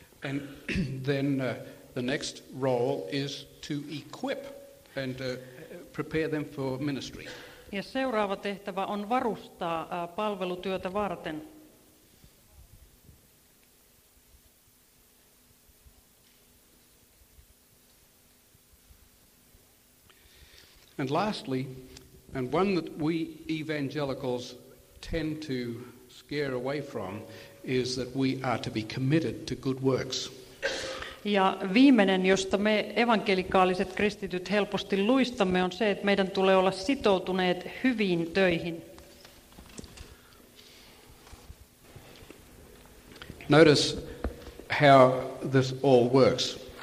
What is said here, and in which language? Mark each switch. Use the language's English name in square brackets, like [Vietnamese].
[English] And then the next role is to equip and prepare them for ministry. [Finnish] Ja seuraava tehtävä on varustaa palvelutyötä varten. [English] And lastly, and one that we evangelicals tend to scare away from, is that we are to be committed to good works. [Finnish] Ja viimeinen, josta me evankelikaaliset kristityt helposti luistamme, on se, että meidän tulee olla sitoutuneet hyviin töihin. [English] Notice how this all works.